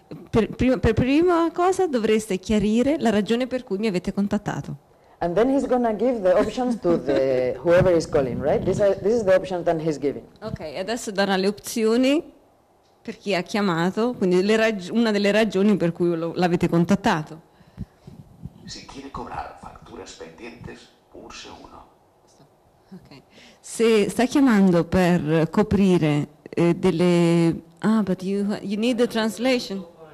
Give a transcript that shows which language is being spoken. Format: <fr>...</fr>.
<it>Per prima cosa dovreste chiarire la ragione per cui mi avete contattato.</it> <en>And then he's gonna give the options to the whoever is calling, right? This is the option that he's giving.</en> <it>Okay, adesso darà le opzioni per chi ha chiamato, quindi una delle ragioni per cui l'avete contattato.</it> <es>Si quiere cobrar facturas pendientes, pulse uno.</es> <it>Okay. Se sta chiamando per coprire delle</it> <en>but you need the translation.</en>